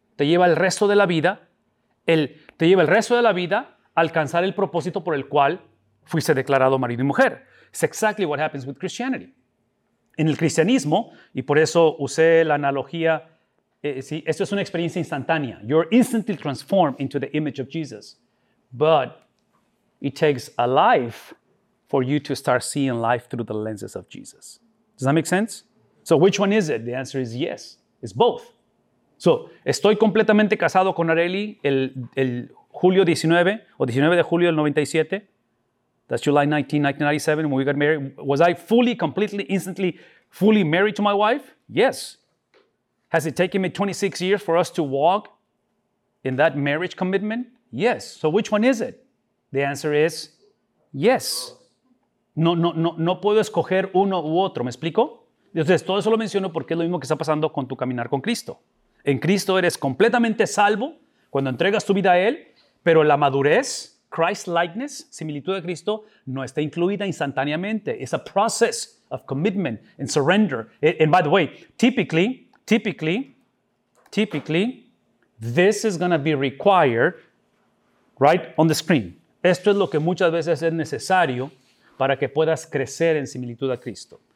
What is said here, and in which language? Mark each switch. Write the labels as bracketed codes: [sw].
[es] Te lleva el resto de la vida, te lleva el resto de la vida a alcanzar el propósito por el cual fuiste declarado marido y mujer. [en] It's exactly what happens with Christianity. [es] En el cristianismo, y por eso usé la analogía, sí, esto es una experiencia instantánea. [en] You're instantly transformed into the image of Jesus. But it takes a life for you to start seeing life through the lenses of Jesus. Does that make sense? So which one is it? The answer is yes. It's both. [es] So, estoy completamente casado con Arely el julio 19, o 19 de julio del 97. [en] That's July 19, 1997, when we got married. Was I fully, completely, instantly, fully married to my wife? Yes. Has it taken me 26 years for us to walk in that marriage commitment? Yes. So which one is it? The answer is yes. [es] No puedo escoger uno u otro. ¿Me explico? Entonces, todo eso lo menciono porque es lo mismo que está pasando con tu caminar con Cristo. En Cristo eres completamente salvo cuando entregas tu vida a Él, pero la madurez... Christ-likeness, similitud de Cristo, no está incluida instantáneamente. [en] It's a process of commitment and surrender. And by the way, typically, this is going to be required right on the screen. [es] Esto es lo que muchas veces es necesario para que puedas crecer en similitud a Cristo.